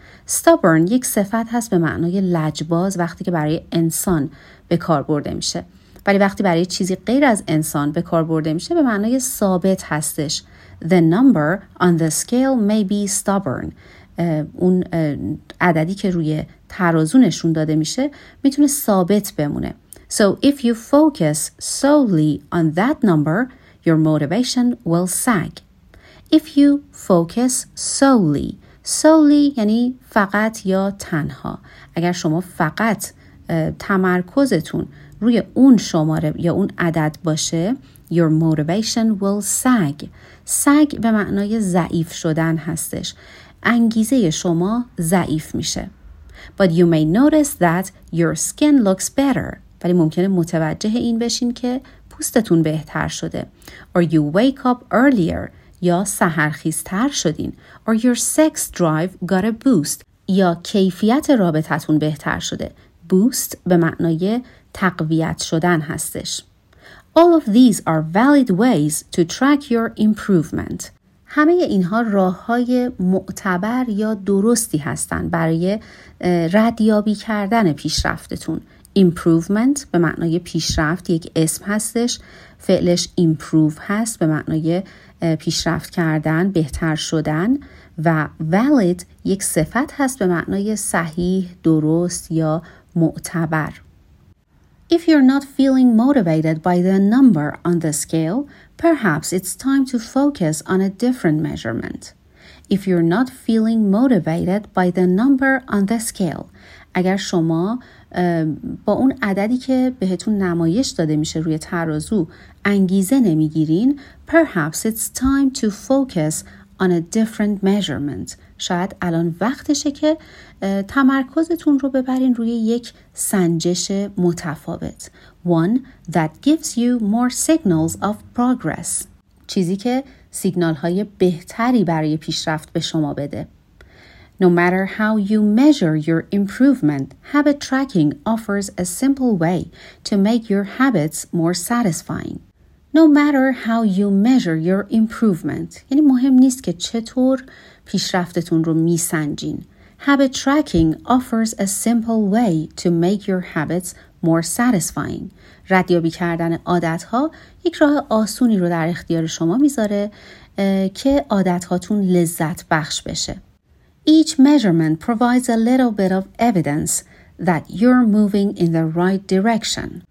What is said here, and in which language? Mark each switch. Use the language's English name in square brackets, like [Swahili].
[Persian] stubborn یک صفت هست به معنای لجباز وقتی که برای انسان به کار برده میشه. ولی وقتی برای چیزی غیر از انسان به کار برده میشه به معنای ثابت هستش. [English] The number on the scale may be stubborn. [Persian] اون عددی که روی ترازو نشون داده میشه میتونه ثابت بمونه. [English] So if you focus solely on that number, your motivation will sag. If you focus solely. solely [Persian] یعنی فقط یا تنها. اگر شما فقط تمرکزتون روی اون شماره یا اون عدد باشه، [English] your motivation will sag. [Persian] sag به معنای ضعیف شدن هستش. انگیزه شما ضعیف میشه. [English] But you may notice that your skin looks better. [Persian] ولی ممکنه متوجه این بشین که پوستتون بهتر شده. [English] Or you wake up earlier. [Persian] یا سحرخیزتر شدین. [English] Or your sex drive got a boost. [Persian] یا کیفیت رابطتون بهتر شده. Boost به معنای تقویت شدن هستش. [English] All of these are valid ways to track your improvement. [Persian] همه اینها راه‌های معتبر یا درستی هستند برای ردیابی کردن پیشرفتتون. Improvement به معنای پیشرفت یک اسم هستش. فعلش improve هست به معنای پیشرفت کردن، بهتر شدن. و valid یک صفت هست به معنای صحیح، درست یا معتبر. [English] If you're not feeling motivated by the number on the scale, perhaps it's time to focus on a different measurement. If you're not feeling motivated by the number on the scale, [Persian] اگر شما با اون عددی که بهتون نمایش داده میشه روی ترازو انگیزه نمیگیرین, [English] perhaps it's time to focus on a different measurement. [Persian] شاید الان وقتشه که تمرکزتون رو ببرین روی یک سنجش متفاوت. [English] One that gives you more signals of progress. [Persian] چیزی که سیگنال های بهتری برای پیشرفت به شما بده. [English] No matter how you measure your improvement, habit tracking offers a simple way to make your habits more satisfying. No matter how you measure your improvement. [Persian] یعنی مهم نیست که چطور پیشرفتتون رو میسنجین. [English] Habit tracking offers a simple way to make your habits more satisfying. [Persian] ردیابی کردن عادت‌ها یک راه آسونی رو در اختیار شما میذاره که عادت‌هاتون لذت بخش بشه. [English] Each measurement provides a little bit of evidence that you're moving in the right direction.